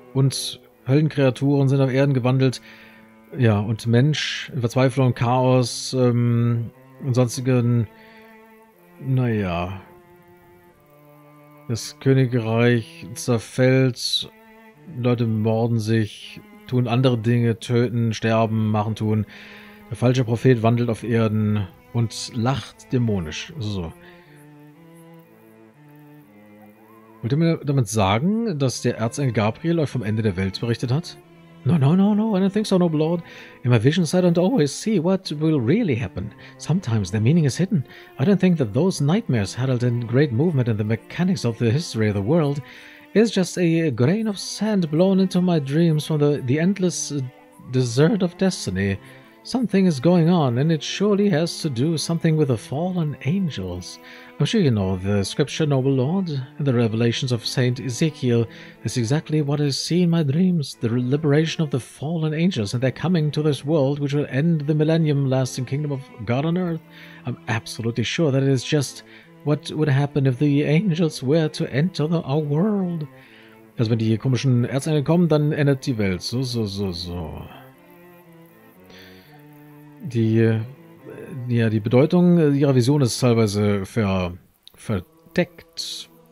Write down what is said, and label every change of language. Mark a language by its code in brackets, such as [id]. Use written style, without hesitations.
[de] Und Höllenkreaturen sind auf Erden gewandelt, ja, und Mensch in Verzweiflung, Chaos und sonstigen, das Königreich zerfällt, Leute morden sich, tun andere Dinge, töten, sterben, machen, tun. Der falsche Prophet wandelt auf Erden und lacht dämonisch. So. Wollt ihr mir damit sagen, dass der Erzengel Gabriel euch vom Ende der Welt berichtet hat? [en] No, I don't think so, noble lord. In my visions, I don't always see what will really happen. Sometimes the meaning is hidden. I don't think that those nightmares huddled in great movement in the mechanics of the history of the world is just a grain of sand blown into my dreams from the endless desert of destiny. Something is going on, and it surely has to do something with the fallen angels. I'm sure you know the scripture, noble lord, in the revelations of Saint Ezekiel. That's exactly what I see in my dreams, the liberation of the fallen angels and their coming to this world, which will end the millennium lasting kingdom of God on earth. I'm absolutely sure that it is just what would happen if the angels were to enter our world. [de] Also wenn die komischen Erzengel kommen, dann endet die Welt. So. Die Bedeutung ihrer Vision ist teilweise verdeckt.